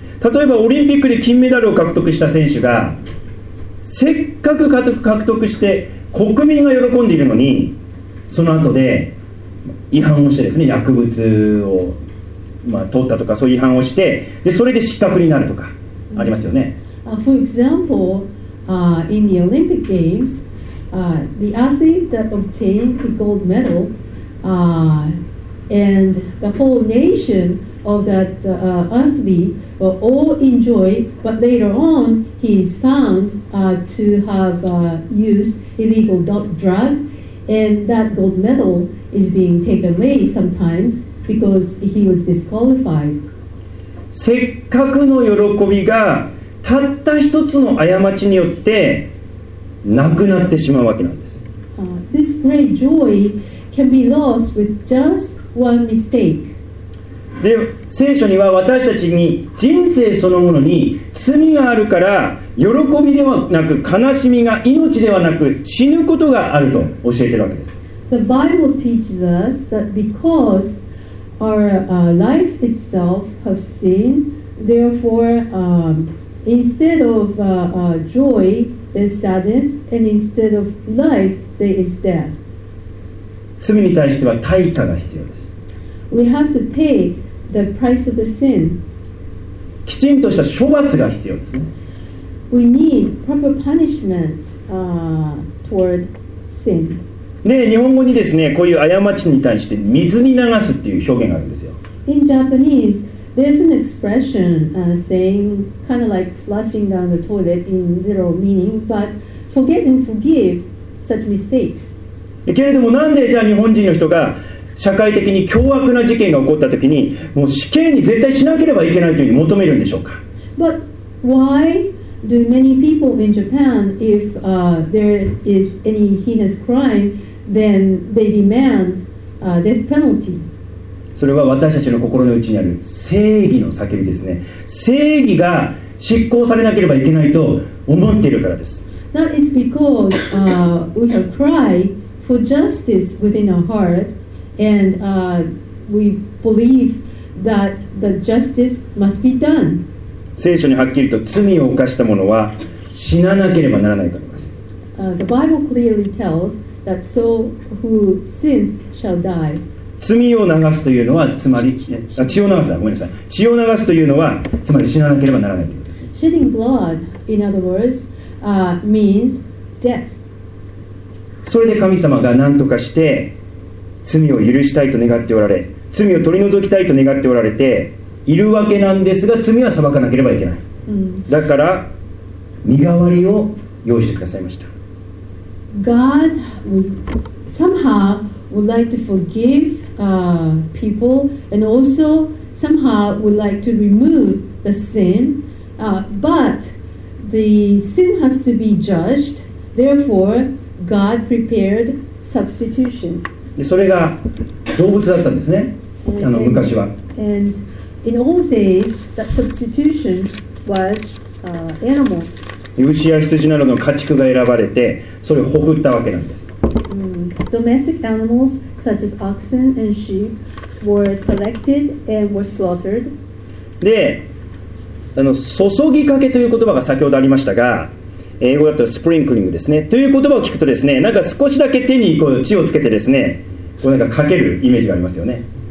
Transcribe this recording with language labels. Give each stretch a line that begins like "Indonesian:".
Japanese: 例えばオリンピックで金メダルを獲得した選手がせっかく獲得して国民が喜んでいるのに、その後で違反をしてですね、薬物を、取ったとかそういう違反をして、でそれで失格になるとかありますよね。
English: For example, in the Olympic Games, the athlete that obtained the gold medal, and the whole nation of that athlete were all enjoyed, but later on, he is found to have used illegal drug, and that gold medal is being taken away sometimes because he was disqualified.
Japanese: せっかくの喜びがたった一つの過ちによってなくなってしまうわけなんです。
English: This great joy can be lost with just one mistake.
Japanese: で、聖書には私たちに人生そのものに罪があるから、喜びではなく悲しみが、命ではなく死ぬことがあると教えているわけです。
English: The Bible teaches us that because our life itself have sin, therefore, Instead of joy, there's sadness, and instead of life, there is death.
Japanese: 罪に対しては対価が必要です。
English: We have to pay the price of the sin.
Japanese: きちんとした処罰が必要ですね。
English: We need proper punishment toward sin.
Japanese: ね、日本語にですね、こういう過ちに対して水に流すっていう表現があるんですよ。
English: In Japanese,There's an expression saying kind of like flushing down the toilet in literal meaning, but forget and forgive such mistakes.
Japanese: けれどもなんでじゃあ日本人の人が社会的に凶悪な事件が起こった時にもう死刑に絶対しなければいけないというふうに求めるんでしょうか。
English: But why do many people in Japan, if there is any heinous crime, then they demand death penalty.
Japanese: それは私たちの心の内にある正義の叫びですね。正義が執行されなければいけないと思っているからです。
English: That is because we have cried for justice within our heart, and we believe that the justice must be done.
Japanese: 聖書にはっきりと罪を犯した者は死ななければならないと思います。
English: The Bible clearly tells that so who sins shall die.
Japanese: 罪を流すというのはつまり血を流すだ、ごめんなさい、血を流すというのはつまり死ななければならないということです。
English: Shedding blood, in other words, means death.
Japanese: それで神様が何とかして罪を許したいと願っておられ、罪を取り除きたいと願っておられているわけなんですが、罪は裁かなければいけない。だから身代わりを用意してくださいました。
English: God somehow would like to forgive people and also somehow would like to remove the sin, but the sin has to be judged. Therefore, God prepared substitution.
Japanese: で、それが動物だったんですね。昔は。
English: And in old days, that substitution was animals.
Japanese: 牛や羊などの家畜が選ばれて、それをほふったわけなんです。
English: Domestic animals such as oxen and sheep were selected and were slaughtered.
Japanese: で、注ぎかけという言葉が先ほどありましたが、英語だとスプリンクリングですね。という言葉を聞くとですね、なんか少しだけ手にこう血をつけてですね、こうなんかかけるイメージがありますよね。